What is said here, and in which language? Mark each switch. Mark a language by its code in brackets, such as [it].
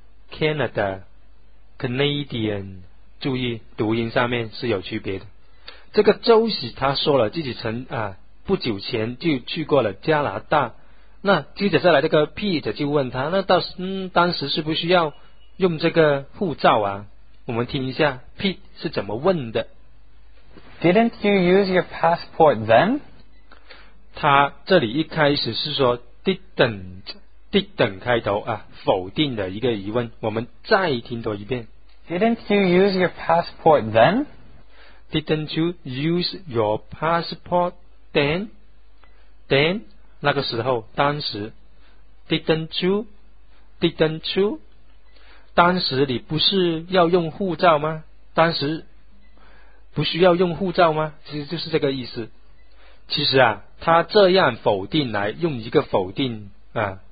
[zh] Canada, Canadian， 注意读音上面是有区别的。这个周喜他说了自己曾啊不久前就去过了加拿大，那接着下来这个 Pete 就问他，那到当时是不需要用这个护照啊？我们听一下 Pete 是怎么问的。 [en] Didn't you use your passport then？ [zh] 他这里一开始是说 didn't 开头啊，否定的一个疑问。我们再听多一遍。 [en] Didn't you use your passport then? Didn't you use your passport then? [zh] Then 那个时候，当时。 [en] Didn't you? [zh] 当时你不是要用护照吗？当时不需要用护照吗？其实就是这个意思。其实啊，他这样否定来用一个否定啊。